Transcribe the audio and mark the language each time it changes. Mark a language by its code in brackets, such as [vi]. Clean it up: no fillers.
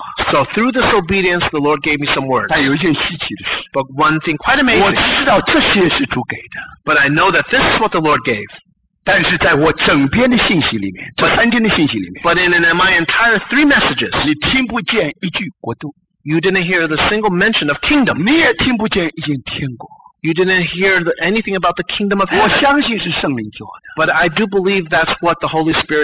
[en] so through this obedience, the Lord gave me some words. [zh] 但有一件稀奇的事, [en] but one thing quite amazing. [zh] 我知道这些是主给的, [en] but I know that this is what the Lord gave. [zh] 但是在我整篇的信息里面, 这三篇的信息里面, [en] but in my entire three messages, [zh] 你听不见一句国度, [en] you didn't hear the single mention of kingdom. [zh] 你也听不见一句天国, [en] you didn't hear the, anything about the kingdom of heaven. [zh] 我相信是圣灵做的, [en] but I do believe that's what the Holy Spirit